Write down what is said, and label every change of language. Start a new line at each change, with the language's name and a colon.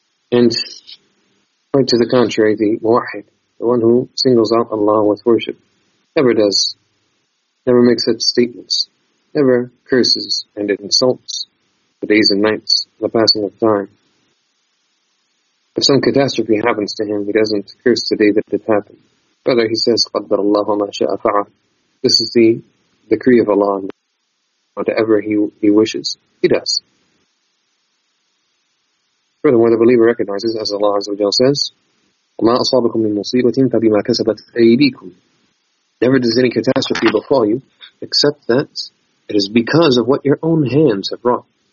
English: And quite to the contrary, the Muwahhid, the one who singles out Allah with worship, never makes such statements, never curses and insults the days and nights, the passing of time. If some catastrophe happens to him, he doesn't curse the day that it happened. Rather, he says,
Arabic: قَدَّرَ اللَّهُ مَا شَاءَ فَعَلَ.
English: This is the decree of Allah, and whatever he wishes, he does. Furthermore, the believer recognizes, as Allah Azza wa Jalla says,
Arabic: وَمَا أَصَابَكُمْ مِنْ مُصِيبَةٍ فَبِمَا كَسَبَتْ أَيْدِيكُمْ.
English: Never does any catastrophe befall you, except that it is because of what your own hands have wrought.